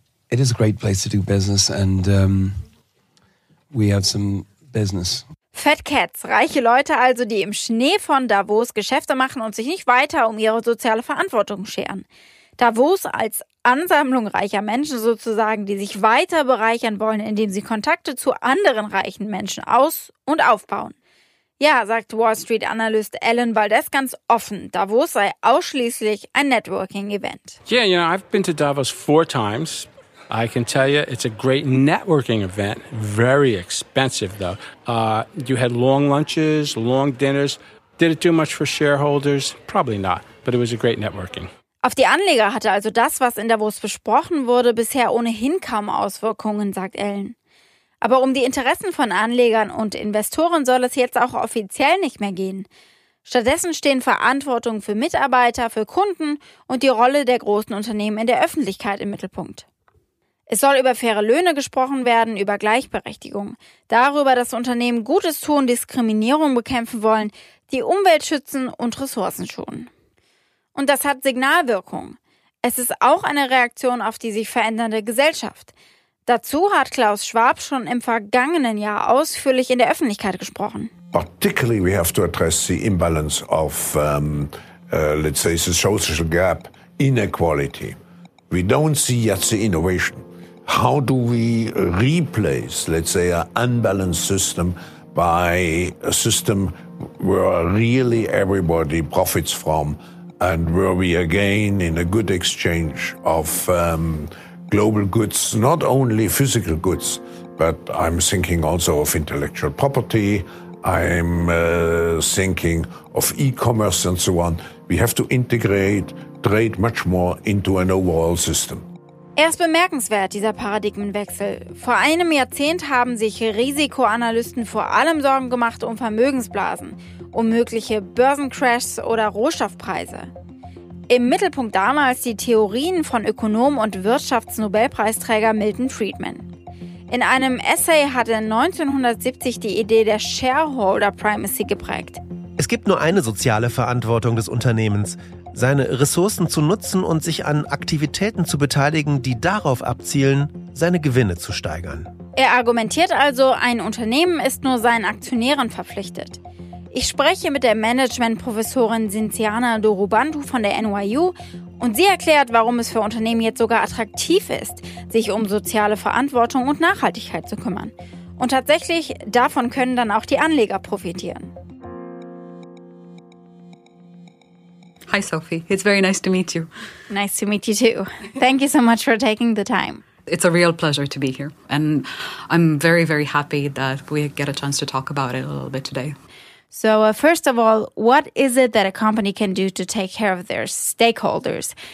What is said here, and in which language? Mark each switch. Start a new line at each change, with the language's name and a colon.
English: It is a great place to do business and we have some business.
German: Fat cats, reiche Leute also, die im Schnee von Davos Geschäfte machen und sich nicht weiter um ihre soziale Verantwortung scheren. Davos als Ansammlung reicher Menschen sozusagen, die sich weiter bereichern wollen, indem sie Kontakte zu anderen reichen Menschen aus- und aufbauen. Ja, sagt Wall Street Analyst Alan Valdez ganz offen, Davos sei ausschließlich ein Networking Event.
English: Yeah, you know, I've been to Davos 4 times. I can tell you it's a great networking event, very expensive though. You had long lunches, long dinners. Did it do much for shareholders? Probably not, but it was a great networking.
German: Auf die Anleger hatte also das, was in Davos besprochen wurde, bisher ohnehin kaum Auswirkungen, sagt Alan. Aber um die Interessen von Anlegern und Investoren soll es jetzt auch offiziell nicht mehr gehen. Stattdessen stehen Verantwortung für Mitarbeiter, für Kunden und die Rolle der großen Unternehmen in der Öffentlichkeit im Mittelpunkt. Es soll über faire Löhne gesprochen werden, über Gleichberechtigung, darüber, dass Unternehmen Gutes tun, Diskriminierung bekämpfen wollen, die Umwelt schützen und Ressourcen schonen. Und das hat Signalwirkung. Es ist auch eine Reaktion auf die sich verändernde Gesellschaft. Dazu hat Klaus Schwab schon im vergangenen Jahr ausführlich in der Öffentlichkeit gesprochen.
English: Particularly we have to address the imbalance of, let's say, the social gap, inequality. We don't see yet the innovation. How do we replace, let's say, an unbalanced system by a system where really everybody profits from and where we again in a good exchange of global goods, not only physical goods, but I'm thinking also of intellectual property, I'm thinking of e-commerce and so on. We have to integrate trade much more into an overall system.
German: Er ist bemerkenswert, dieser Paradigmenwechsel. Vor einem Jahrzehnt haben sich Risikoanalysten vor allem Sorgen gemacht um Vermögensblasen, um mögliche Börsencrashs oder Rohstoffpreise. Im Mittelpunkt damals die Theorien von Ökonom und Wirtschaftsnobelpreisträger Milton Friedman. In einem Essay hatte 1970 die Idee der Shareholder Primacy geprägt. Es gibt nur eine soziale Verantwortung des Unternehmens, seine Ressourcen zu nutzen und sich an Aktivitäten zu beteiligen, die darauf abzielen, seine Gewinne zu steigern. Er argumentiert also, ein Unternehmen ist nur seinen Aktionären verpflichtet. Ich spreche mit der Management-Professorin Cinciana Dorubandu von der NYU und sie erklärt, warum es für Unternehmen jetzt sogar attraktiv ist, sich um soziale Verantwortung und Nachhaltigkeit zu kümmern. Und tatsächlich, davon können dann auch die Anleger profitieren.
English: Hi Sophie, it's very nice to meet you. Nice to meet you too. Thank you so much for taking the time. It's a real pleasure to be here and I'm very, very happy that we get a chance to talk about it a little bit today. So first of all, what is it that a company can do to take care of their stakeholders?